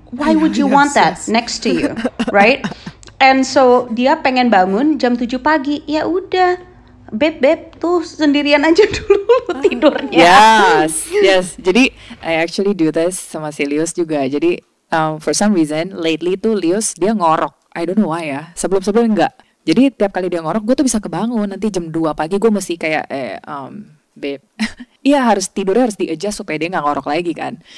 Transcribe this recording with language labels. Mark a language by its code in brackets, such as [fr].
[en] Why would you want that next to you, right? And so [id] dia pengen bangun jam 7 pagi. Ya udah, beb tuh sendirian aja dulu tidurnya. [en] Yes. Jadi I actually do this [id] sama si Lius juga. Jadi [en] for some reason lately [id] tuh Lius dia ngorok. [en] I don't know why [id] ya. Sebelum enggak. Jadi tiap kali dia ngorok, gue tuh bisa kebangun nanti jam 2 pagi. Gue mesti kayak beb. Iya, harus tidurnya harus di-adjust supaya dia gak ngorok lagi kan.